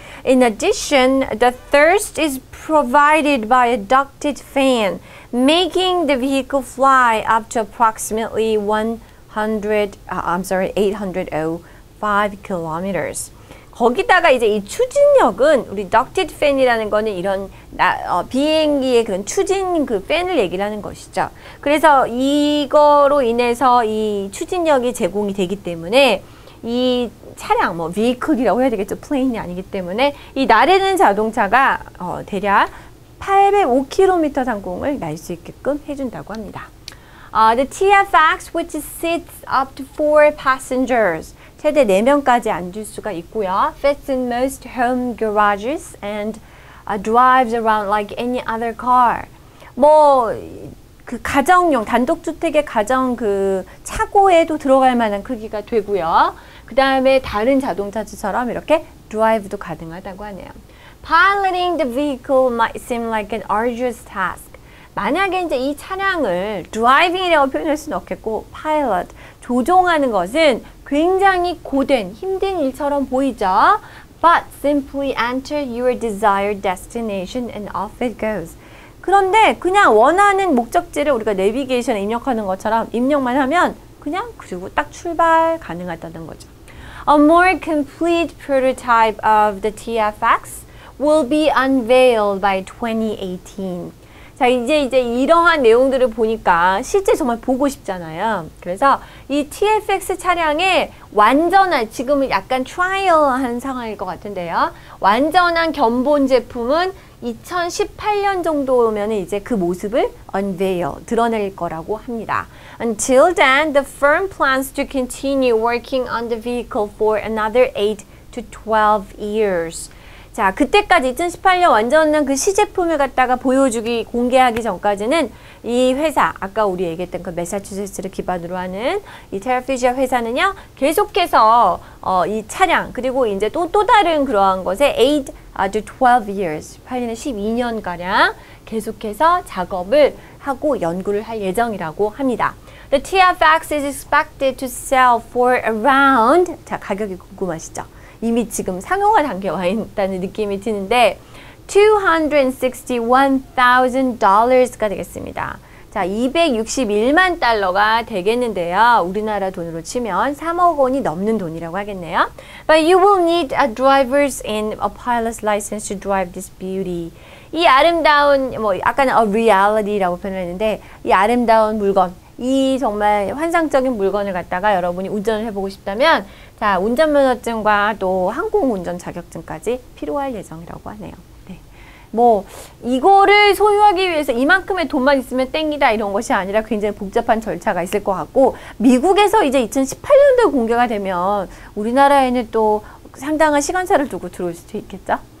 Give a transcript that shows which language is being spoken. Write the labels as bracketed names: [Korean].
[English] In addition, the thrust is provided by a ducted fan, making the vehicle fly up to approximately 805 kilometers. [Korean] 거기다가 이제 이 추진력은 우리 ducted fan이라는 거는 이런 비행기의 그런 추진 그 팬을 얘기하는 것이죠. 그래서 이거로 인해서 이 추진력이 제공이 되기 때문에 이 차량, 뭐 vehicle이라고 해야 되겠죠. 플레인이 아니기 때문에 이 나르는 자동차가 대략 805km 상공을 날 수 있게끔 해준다고 합니다. [English] The TFX, which sits up to 4 passengers, [Korean] 최대 4명까지 앉을 수가 있고요. [English] Fits in most home garages and drives around like any other car. [Korean] 뭐 그 가정용, 단독주택의 가정 그 차고에도 들어갈 만한 크기가 되고요. 그 다음에 다른 자동차처럼 이렇게 드라이브도 가능하다고 하네요. [English] Piloting the vehicle might seem like an arduous task. [Korean] 만약에 이제 이 차량을 driving이라고 표현할 수는 없겠고 pilot, 조종하는 것은 굉장히 고된, 힘든 일처럼 보이죠. [English] But simply enter your desired destination and off it goes. [Korean] 그런데 그냥 원하는 목적지를 우리가 내비게이션에 입력하는 것처럼 입력만 하면 그냥 그리고 딱 출발 가능하다는 거죠. [English] A more complete prototype of the TFX will be unveiled by 2018. [Korean] 자, 이제 이러한 내용들을 보니까 실제 정말 보고 싶잖아요. 그래서 이 TFX 차량의 완전한, 지금은 약간 트라이얼한 상황일 것 같은데요. 완전한 견본 제품은 2018년 정도면 이제 그 모습을 unveil, 드러낼 거라고 합니다. [English] Until then, the firm plans to continue working on the vehicle for another 8 to 12 years. [Korean] 자, 그때까지 2018년 완전한 그 시제품을 갖다가 보여주기, 공개하기 전까지는 이 회사, 아까 우리 얘기했던 그 매사추세츠를 기반으로 하는 이 테라퓨지아 회사는요, 계속해서 이 차량, 그리고 이제 또 다른 그러한 것에 [English] 8 to 12 years, [Korean] 8년에 12년가량 계속해서 작업을 하고 연구를 할 예정이라고 합니다. [English] The TFX is expected to sell for around, [Korean] 자, 가격이 궁금하시죠? 이미 지금 상용화 단계 와 있다는 느낌이 드는데 $261,000가 되겠습니다. 자, 261만 달러가 되겠는데요. 우리나라 돈으로 치면 3억 원이 넘는 돈이라고 하겠네요. [English] But you will need a driver's and a pilot's license to drive this beauty. [Korean] 이 아름다운 뭐 아까는 a reality라고 표현했는데 이 아름다운 물건, 이 정말 환상적인 물건을 갖다가 여러분이 운전을 해 보고 싶다면 자, 운전면허증과 또 항공운전 자격증까지 필요할 예정이라고 하네요. 네. 뭐 이거를 소유하기 위해서 이만큼의 돈만 있으면 땡이다 이런 것이 아니라 굉장히 복잡한 절차가 있을 것 같고 미국에서 이제 2018년도 공개가 되면 우리나라에는 또 상당한 시간차를 두고 들어올 수도 있겠죠?